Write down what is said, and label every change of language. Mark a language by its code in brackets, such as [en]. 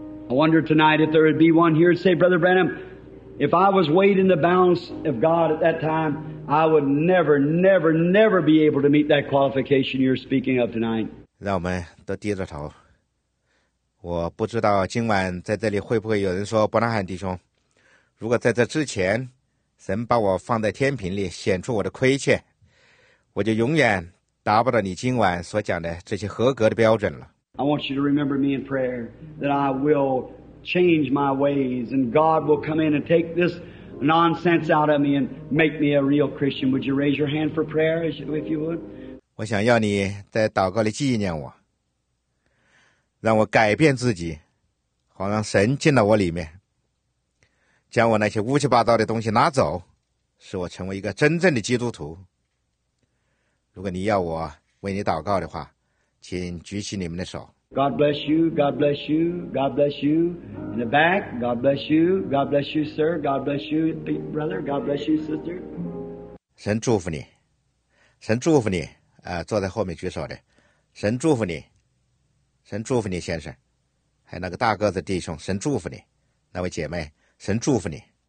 [en] I wonder tonight if there would be one here and say, Brother Branham, if I was weighed in the balance of God at that time, I would never, never, never be able to meet that qualification you're speaking of tonight. [zh] 让我们都低着头。我不知道今晚在这里会不会有人说，伯纳罕弟兄，如果在这之前，神把我放在天平里，显出我的亏欠，我就永远达不到你今晚所讲的这些合格的标准了。 [en] I want you to remember me in prayer that I will change my ways and God will come in and take this nonsense out of me and make me a real Christian. Would you raise your hand for prayer if you would? [zh] 我想要你在祷告里纪念我，让我改变自己，好让神进到我里面，将我那些乌七八糟的东西拿走，使我成为一个真正的基督徒。如果你要我为你祷告的话，请举起你们的手。 [en] God bless you, God bless you, God bless you. In the back, God bless you, God bless you, sir, God bless you, brother, God bless you, sister. [zh] 神祝福你，神祝福你啊，坐在后面举手的，神祝福你，神祝福你先生，还有那个大个子弟兄，神祝福你，那位姐妹，神祝福你。